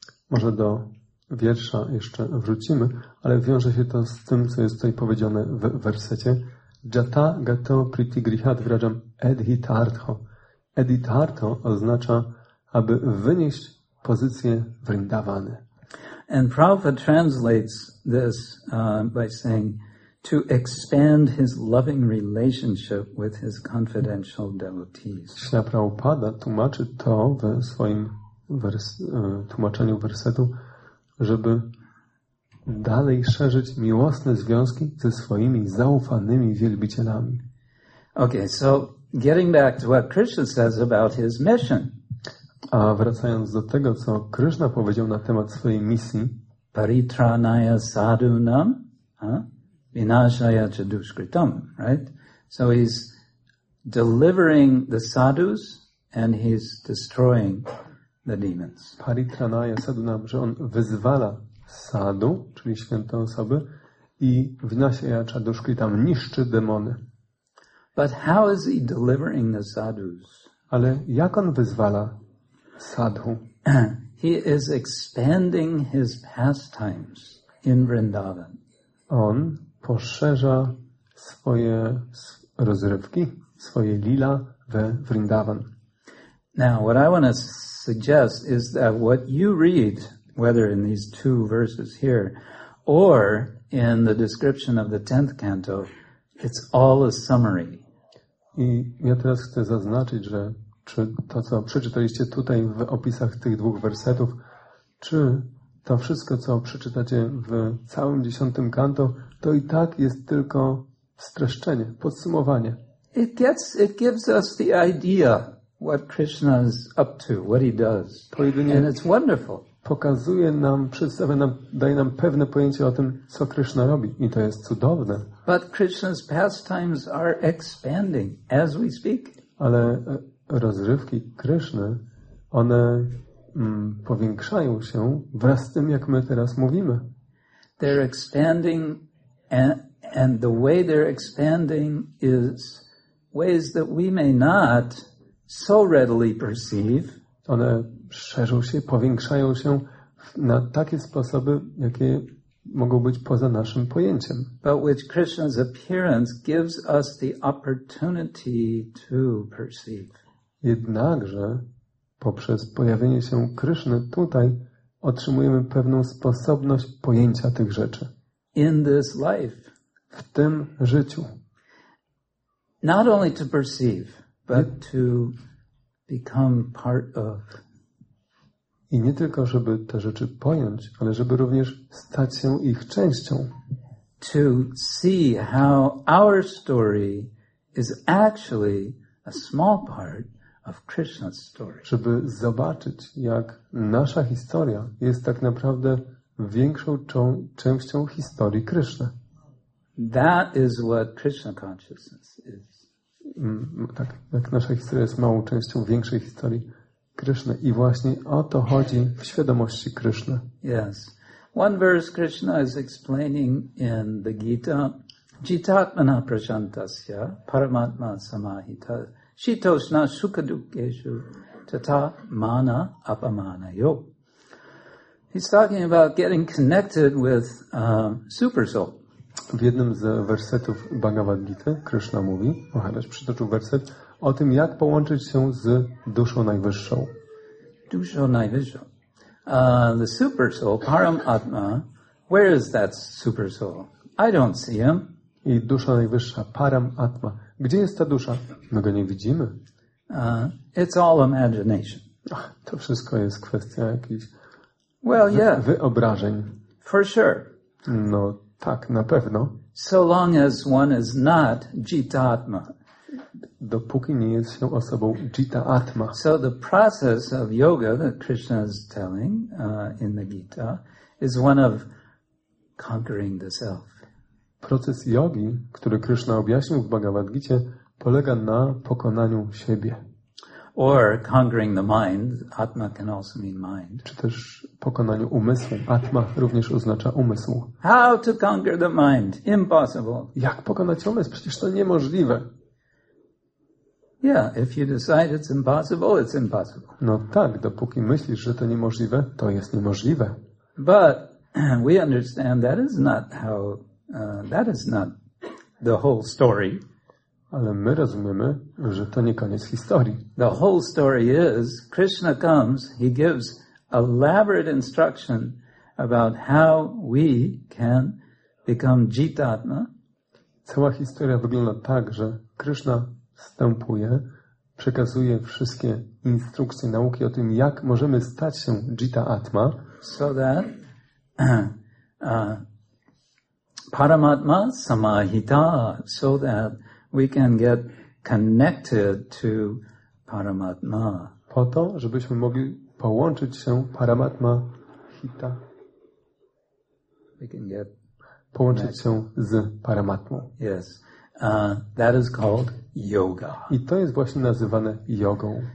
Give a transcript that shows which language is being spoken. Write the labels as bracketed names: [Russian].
[Polish] Może do wiersza jeszcze wrócimy, ale wiąże się to z tym, co jest tutaj powiedziane w wersecie. [Sanskrit] Jata gato priti grihat vrajam edhitartho. [Polish] Edhitartho oznacza, aby wynieść pozycję Vrindavany. [English] And Prabhupada translates this by saying to expand his loving relationship with his confidential devotees. [Polish] Śla Prabhupada tłumaczy to w swoim tłumaczeniu wersetu, żeby dalej szerzyć miłosne związki ze swoimi zaufanymi wielbicielami. [English] Okay, so getting back to what Krishna says about his mission. [Polish] A wracając do tego, co Krishna powiedział na temat swojej misji. [Sanskrit] Paritranaya sadunam vinashaya cha duskritam, [English] right? So he's delivering the sadhus and he's destroying the demons. [Sanskrit] Paritranaya sadunam, [Polish] że on wyzwala sadhu, czyli święte osoby, i [Sanskrit] vinashaya cha duskritam, [Polish] niszczy demony. [English] But how is he delivering the sadhus? [Polish] Ale jak on wyzwala sadhu? [English] He is expanding his pastimes in Vrindavan. [Polish] On poszerza swoje rozrywki, swoje lila we Vrindavan. [English] Now, what I want to suggest is that what you read, whether in these two verses here, or in the description of the 10th canto, it's all a summary. [Polish] I ja teraz chcę zaznaczyć, że czy to, co przeczytaliście tutaj w opisach tych dwóch wersetów, czy to wszystko, co przeczytacie w całym 10. kanto, to i tak jest tylko streszczenie, podsumowanie. [English] It gives us the idea what Krishna is up to, what he does. [Polish] Pojedynie, [English] and it's wonderful. [Polish] pokazuje nam, przedstawia nam, daje nam pewne pojęcie o tym, co Krishna robi. I to jest cudowne. [English] But Krishna's pastimes are expanding as we speak. [Polish] Ale rozrywki Kryszny, one powiększają się wraz z tym, jak my teraz mówimy. [English] They're expanding and the way they're expanding is ways that we may not so readily perceive. [Polish] One szerzą się, powiększają się na takie sposoby, jakie mogą być poza naszym pojęciem. [English] But which Krishna's appearance gives us the opportunity to perceive. [Polish] Jednakże poprzez pojawienie się Kryszny tutaj otrzymujemy pewną sposobność pojęcia tych rzeczy. [English] In this life. [Polish] W tym życiu. [English] Not only to perceive, but to become part of. [Polish] I nie tylko, żeby te rzeczy pojąć, ale żeby również stać się ich częścią. [English] To see how our story is actually a small part of Krishna's story. [Polish] Żeby zobaczyć, jak nasza historia jest tak naprawdę większą częścią historii Krishna. [English] That is what Krishna consciousness is. [Polish] Tak, jak nasza historia jest małą częścią większej historii Krishna. I właśnie o to chodzi w świadomości Krishna. [English] Yes. One verse Krishna is explaining in the Gita. [Sanskrit] Jitatmana prajantasya paramatma samahita shitoshna sukadukeshu tata mana apamana yo. [English] He's talking about getting connected with super soul. [Polish] W jednym z wersetów Bhagavad Gita Krishna mówi, Maharaj przytoczył werset, o tym, jak połączyć się z duszą najwyższą. Duszą najwyższą. [English] The super soul, Paramatma, where is that super soul? I don't see him. [Polish] I dusza najwyższa, Paramatma. Gdzie jest ta dusza? My go nie widzimy. [English] It's all imagination. [Polish] Ach, to wszystko jest kwestia jakichś wyobrażeń. [English] For sure. [Polish] No tak, na pewno. [English] So long as one is not jitatma. [Polish] Dopóki nie jest się osobą jita atma. [English] So the process of yoga that Krishna is telling in the Gita is one of conquering the self. [Polish] Proces jogi, który Krishna objaśnił w Bhagavad Gita, polega na pokonaniu siebie. [English] Or conquering the mind. Atma can also mean mind. [Polish] Czy też pokonaniu umysłu. Atma również oznacza umysł. [English] How to conquer the mind? Impossible. [Polish] Jak pokonać umysł? Przecież to niemożliwe. [English] Yeah, if you decide it's impossible, it's impossible. [Polish] No tak, dopóki myślisz, że to niemożliwe, to jest niemożliwe. [English] But we understand that is not how that is not the whole story. [Polish] Ale my rozumiemy, że to nie koniec historii. [English] The whole story is Krishna comes, he gives elaborate instruction about how we can become jitatma. [Polish] Cała historia wygląda tak, że Krishna wstępuje, przekazuje wszystkie instrukcje, nauki o tym, jak możemy stać się jita atma. [English] So that [Sanskrit] paramatma samahita, [English] so that we can get connected to paramatma. [Polish] Po to, żebyśmy mogli połączyć się paramatma hita. [English] We can get [Polish] połączyć się z paramatmą. [English] Yes. That is called yoga. [Polish] I to jest właśnie nazywane jogą.